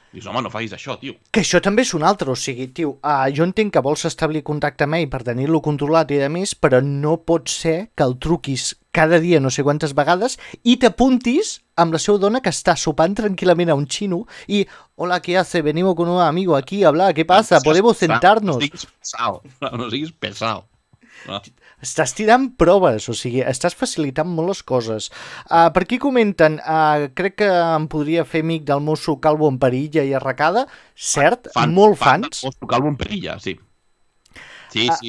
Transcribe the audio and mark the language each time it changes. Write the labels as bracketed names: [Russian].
[Catalan] Dius, home, no facis això, tio. Que això també és un altre, o sigui, tio, jo entenc que vols establir contacte amb ell per tenir-lo controlat i de més, però no pot ser que el truquis cada dia no sé quantes vegades i t'apuntis amb la seva dona que està sopant tranquil·lament a un xino i, [Spanish] hola, ¿qué hace? Venimos con un amigo aquí a hablar, ¿qué pasa? ¿Podemos sentarnos? [Catalan] No siguis pesado. Estàs tirant proves, o sigui, estàs facilitant molt les coses. Per aquí comenten, crec que em podria fer amic del mosso Calvo en Perilla i Arracada, cert, fans, molt fans. Fan mosso Calvo en Perilla, sí. Sí.